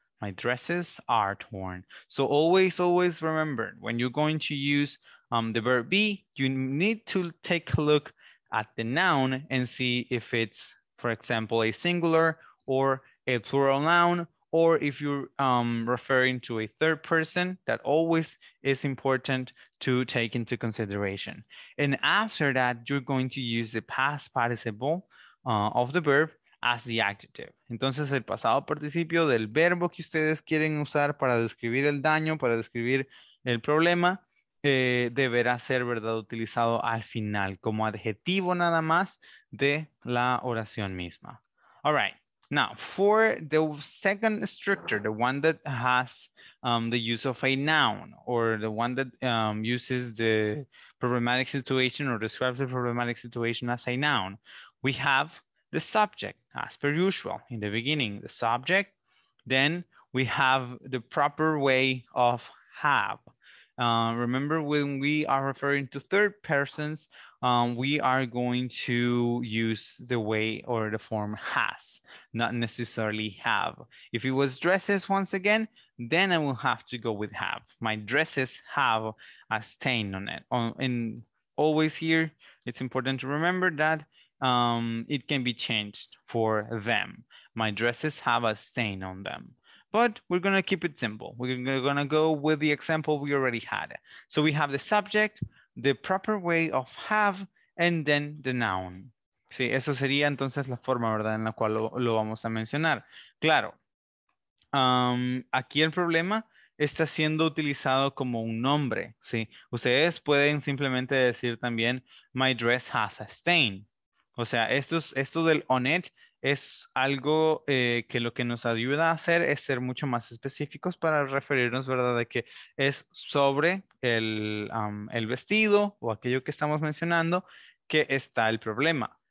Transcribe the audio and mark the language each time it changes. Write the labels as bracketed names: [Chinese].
[English] My dresses are torn. So always, always remember when you're going to use the verb be, you need to take a look at the noun and see if it's, for example, a singular or a plural noun, or if you're referring to a third person, that always is important to take into consideration. And after that, you're going to use the past participle of the verb as the adjective. [Spanish] Entonces, el pasado participio del verbo que ustedes quieren usar para describir el daño, para describir el problema, deberá ser, ¿verdad?, utilizado al final como adjetivo nada más de la oración misma. [English] All right. Now, for the second structure, the one that has the use of a noun or the one that uses the problematic situation or describes the problematic situation as a noun, we have the subject, as per usual, in the beginning, the subject. Then we have the proper way of have. Remember, when we are referring to third persons, we are going to use the way or the form has, not necessarily have. If it was dresses once again, then I will have to go with have. My dresses have a stain on it. And always here, it's important to remember that it can be changed for them. My dresses have a stain on them. But we're going to keep it simple. We're going to go with the example we already had. So we have the subject, the proper way of have, and then the noun. [Spanish] Sí, eso sería entonces la forma, ¿verdad?, en la cual lo vamos a mencionar. Claro, aquí el problema está siendo utilizado como un nombre. Sí, ustedes pueden simplemente decir también, [English] my dress has a stain. [Spanish] O sea, esto del on it es algo que lo que nos ayuda a hacer es ser mucho más específicos para referirnos, ¿verdad?, de que es sobre el vestido o aquello que estamos mencionando que está el problema.